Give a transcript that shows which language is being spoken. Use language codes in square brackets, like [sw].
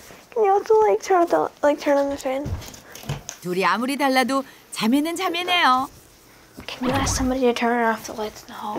[en] Can you also like turn on the, like turn on the fan? [ko] 둘이 아무리 달라도 자매는 자매네요. [en] Can you ask somebody to turn off the lights in the hall?